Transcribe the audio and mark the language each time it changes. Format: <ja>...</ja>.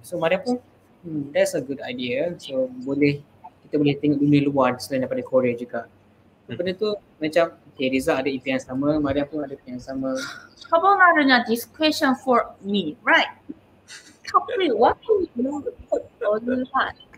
<en>So Mariam pun, that's a good idea.</en> <ms>So boleh, kita boleh tengok dunia luar selain daripada Korea juga. Benda tu macam, okay, Rizal ada impian yang sama, Mariam pun ada impian yang sama.</ms> <en>Sebenarnya this question for me, right? Kapri, what do you put on that?</en>